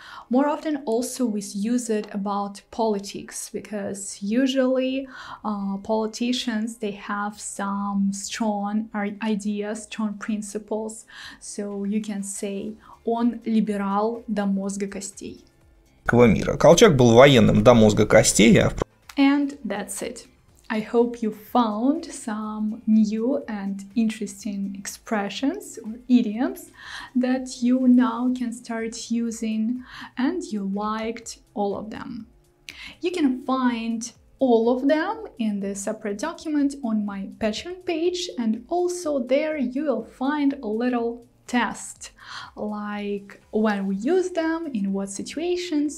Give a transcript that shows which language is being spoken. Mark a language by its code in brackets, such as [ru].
[en] More often also we use it about politics, because usually politicians, they have some strong ideas, strong principles, so you can say [ru] он либерал до мозга костей. Мира. Колчак был военным до мозга костей. [en] And that's it. I hope you found some new and interesting expressions or idioms that you now can start using, and you liked all of them. You can find all of them in the separate document on my Patreon page, and also there you will find a little test, like when we use them, in what situations.